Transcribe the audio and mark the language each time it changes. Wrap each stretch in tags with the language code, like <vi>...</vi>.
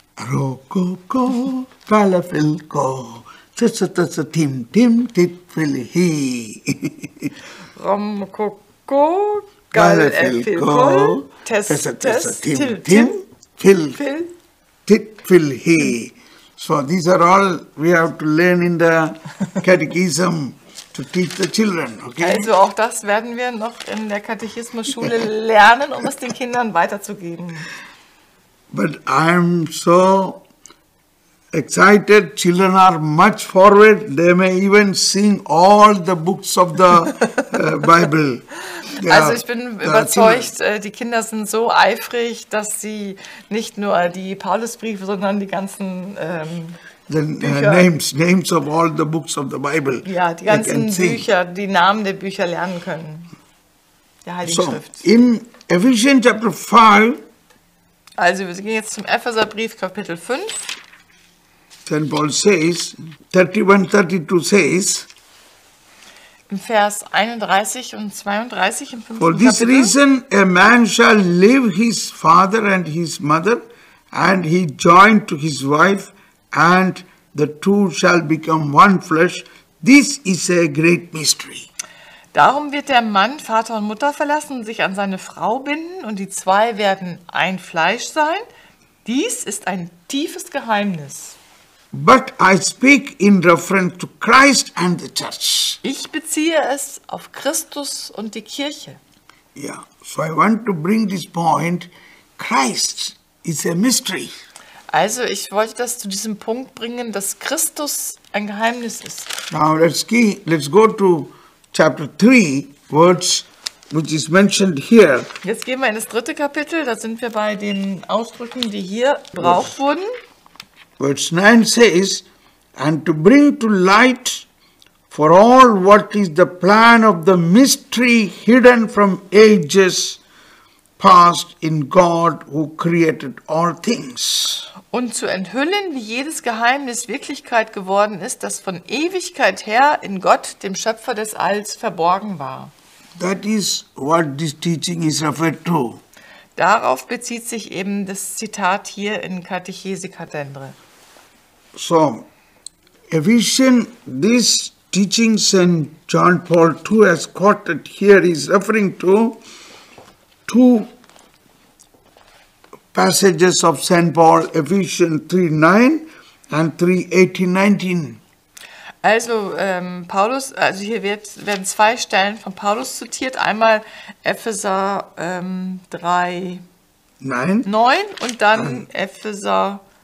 <en>Rokoko, galefilko, tessa tessa tim tim tit filihi. Romkoko, galefilko, tessa tessa tim tim tit filihi. So these are all we have to learn in the catechism. To teach the children, okay?</en> <de>Also auch das werden wir noch in der Katechismusschule lernen, um es den Kindern weiterzugeben.</de> <en>But I'm so excited. Children are much forward. They may even sing all the books of the Bible.</en> <de>Yeah, also ich bin überzeugt, die Kinder sind so eifrig, dass sie nicht nur die Paulusbriefe, sondern die ganzen</de> <en>Names of all the books of the Bible.</en> <de>Ja, die ganzen Bücher, die Namen der Bücher lernen können. Der Heiligen</de> <en>so,</en> <de>Schrift.</de> <en>In Ephesians chapter 5.</en> <de>Also wir gehen jetzt zum Epheserbrief Kapitel 5.</de> <en>St. Paul says, 31-32 says.</en> <de>Im Vers 31 und 32 im 5.</de> <en>For this</en> <de>Kapitel,</de> <en>reason a man shall leave his father and his mother and he joined to his wife. And the two shall become one flesh. This is a great mystery.</en> <de>Darum wird der Mann Vater und Mutter verlassen und sich an seine Frau binden, und die zwei werden ein Fleisch sein. Dies ist ein tiefes Geheimnis.</de> <en>But I speak in reference to Christ and the church.</en> <de>Ich beziehe es auf Christus und die Kirche.</de> <en>Yeah, so I want to bring this point. Christ is a mystery.</en> <de>Also, ich wollte das zu diesem Punkt bringen, dass Christus ein Geheimnis ist.</de> <en>Now let's go to chapter 3, verse which is mentioned here.</en> <de>Jetzt gehen wir in das dritte Kapitel, da sind wir bei den Ausdrücken, die hier gebraucht wurden.</de> <en>Verse 9 says, and to bring to light for all what is the plan of the mystery hidden from ages past in God who created all things.</en> <de>Und zu enthüllen, wie jedes Geheimnis Wirklichkeit geworden ist, das von Ewigkeit her in Gott, dem Schöpfer des Alls, verborgen war.</de> <en>That is what this teaching is referred to.</en> <de>Darauf bezieht sich eben das Zitat hier in Katechese Kathedre.</de> <en>So, a vision, this teaching St. John Paul II has quoted here is referring to two passages of St. Paul, Ephesians 3:9 and 3:18-19.</en> <de>Also Paulus, also hier werden zwei Stellen von Paulus zitiert, einmal Epheser 3:9 und dann Epheser</de>